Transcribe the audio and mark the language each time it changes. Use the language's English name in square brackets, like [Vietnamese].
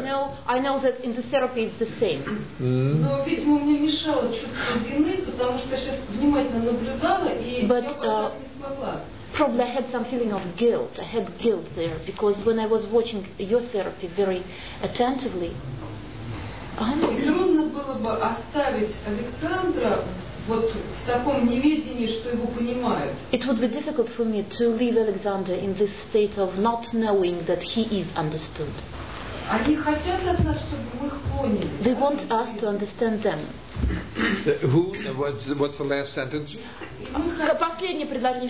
[English] You know, I know that in the therapy it's the same. Mm. But probably I had some feeling of guilt. I had guilt there because when I was watching your therapy very attentively, [Russian] Трудно было бы оставить Александра вот в таком неведении, что его понимают. [English] It would be difficult for me to leave Alexander in this state of not knowing that he is understood. [Russian] Они хотят от нас, чтобы мы их поняли. [English] They want us to understand them. Who? What's the last sentence? [Russian] Последнее предложение.